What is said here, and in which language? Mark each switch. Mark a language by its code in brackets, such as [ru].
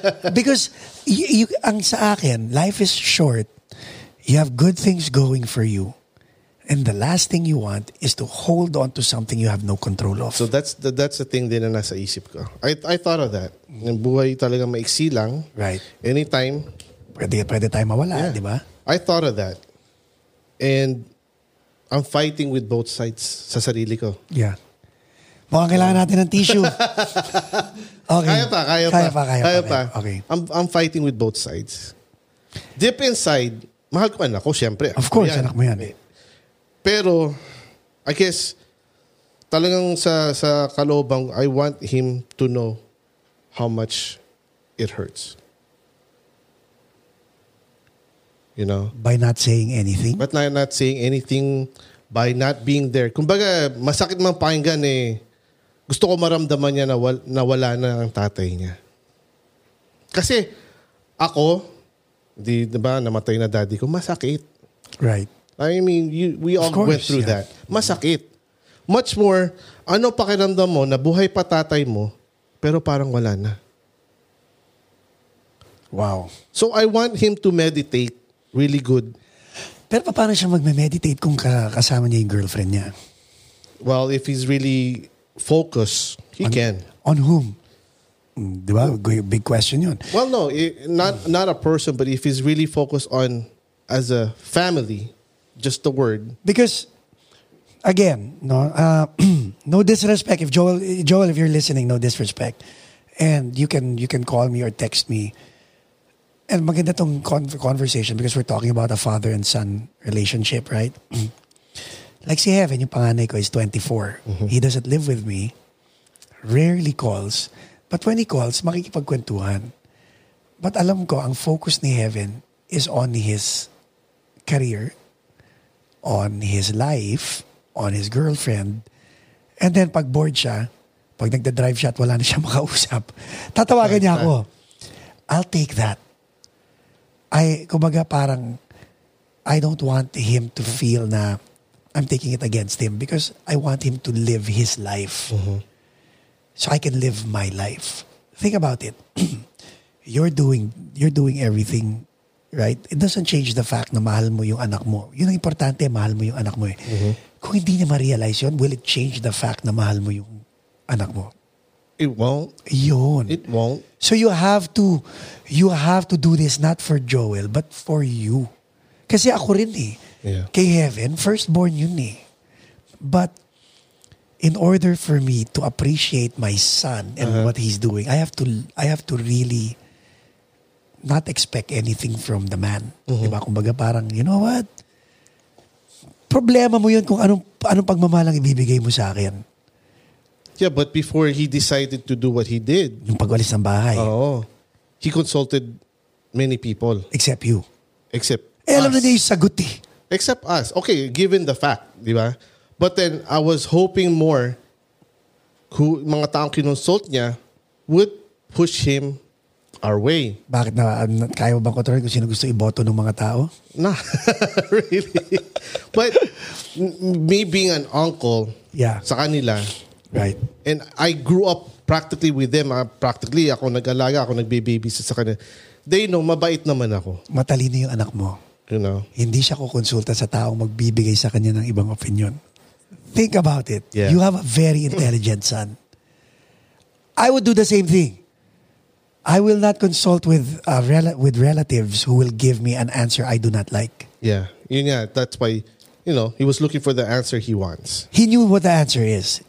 [en] Because [tl] ang sa akin, [en] life is short. You have good things going for you. And the last thing you want is to hold on to something you have no control of. So that's the thing [tl] din na nasa isip ko. [en] I thought of that. [tl] Yung buhay talaga maiksi lang. [en] Right. Anytime. [tl] Pwede tayo mawala, yeah. Di ba? [en] I thought of that. And I'm fighting with both sides [tl] sa sarili ko. Yeah. Mukhang kailangan natin ng tissue. Okay. Kaya pa. [en] Okay. I'm fighting with both sides. [tl] Deep inside, mahal ko anak ko, syempre. [en] Of course, [tl] anak mo yan. [en] Pero, I guess, [tl] talagang sa kalobang, [en] I want him to know how much it hurts. You know? By not saying anything? But not saying anything, by not being there. [tl] Kumbaga, masakit mang pakinggan eh, gusto ko maramdaman niya na wala na ang tatay niya. Kasi, ako, di ba, namatay na daddy ko, masakit. [en] Right. I mean, we all went through that. [tl] Masakit. Much more, ano pakiramdam mo na buhay pa tatay mo, pero parang wala na. [en] Wow. So I want him to meditate really good. [tl] Pero paano siya magme-meditate kung kasama niya yung girlfriend niya? [en] Well, if he's really focused, he can. On whom? Di ba? Big question yun. Well, no. Not a person, but if he's really focused on as a family, just the word. Because, again, no no disrespect. If Joel, if you're listening, no disrespect. And you can call me or text me. And maganda tong conversation because we're talking about a father and son relationship, right? Like si Heaven, [tl] yung panganay ko [en] is 24. Mm-hmm. He doesn't live with me. Rarely calls. But when he calls, makikipagkwentuhan. But alam ko, ang focus ni Heaven is on his career, on his life, on his girlfriend. [tl] And then pag bored siya, pag nagda-drive siya at wala na siya makausap, tatawagan niya ako. [en] I'll take that. [tl] Kumbaga parang, [en] I don't want him to feel na I'm taking it against him because I want him to live his life. Mm-hmm. So I can live my life. Think about it. you're doing everything, right? It doesn't change the fact [tl] na mahal mo yung anak mo. Yun ang importante, mahal mo yung anak mo eh. Mm-hmm. Kung hindi niya ma-realize yun, [en] will it change the fact [tl] na mahal mo yung anak mo? [en] It won't. [tl] Yun. [en] It won't. So you have to do this not for Joel, but for you. [tl] Kasi ako rin eh. [en] Yeah. [tl] Kay Heaven, firstborn yun eh. [en] But in order for me to appreciate my son and what he's doing, I have to really not expect anything from the man. [tl] Mm-hmm. Diba? Kumbaga parang, [en] you know what? [tl] Problema mo yun kung anong pagmamahalang ibibigay mo sa akin. [en] Yeah, but before he decided to do what he did. [tl] Yung pagwalis ng bahay. Oo. [en] He consulted many people. Except you. Except [tl] us. Alam na niya yung sagot eh. [en] Except us. Okay, given the fact, di ba? But then, I was hoping more who [tl] mga taong kinonsult niya [en] would push him our way. [tl] Bakit na? Kaya mo bang kontrol kung sino gusto iboto ng mga tao? [en] Nah. Really. But me being an uncle yeah. [tl] sa kanila. [en] Right. And I grew up practically with them, [tl] practically ako nag-alaga, ako nagbe-babysit sa kanila. [en] They know, [tl] mabait naman ako. Matalino yung anak mo. [en] You know? [tl] Hindi siya kukonsulta sa taong magbibigay sa kanya ng ibang opinion. [en] Think about it. Yeah. You have a very intelligent son. I would do the same thing. I will not consult with relatives who will give me an answer I do not like. Yeah. Yun nga, that's why, you know, he was looking for the answer he wants. He knew what the answer is.